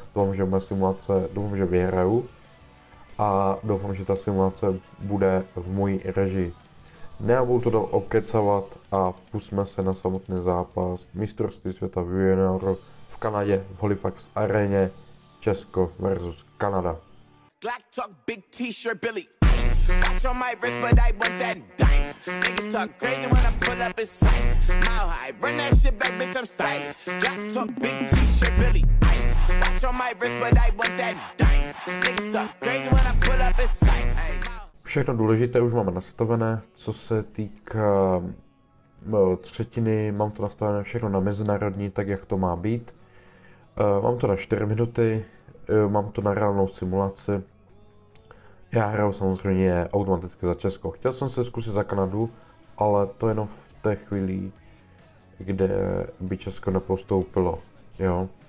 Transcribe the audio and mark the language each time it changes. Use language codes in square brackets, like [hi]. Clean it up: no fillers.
[cs] Doufám, že moje simulace, doufám, že vyhraju. A doufám, že ta simulace bude v mojí režii. Nebudu to dál obkecovat a pusme se na samotný zápas mistrovství světa v junioru v Kanadě, v Halifax Areně, Česko versus Kanada. [en] Black talk, big t-shirt, Billy. Watch on my wrist, but I want that dime. Niggas talk crazy when I pull up in sight. Mile high, run that shit back, bitch, I'm stylish. Black talk, big t-shirt, Billy Ice. Watch on my wrist, but I want that dime. Niggas talk crazy when I pull up in sight. [cs] Všechno důležité už máme nastavené. Co se týká třetiny, mám to nastavené všechno na mezinárodní, tak jak to má být. Mám to na 4 minuty. Mám to na reálnou simulaci. Já hraju samozřejmě automaticky za Česko. Chtěl jsem se zkusit za Kanadu, ale to jenom v té chvíli, kde by Česko nepostoupilo, jo.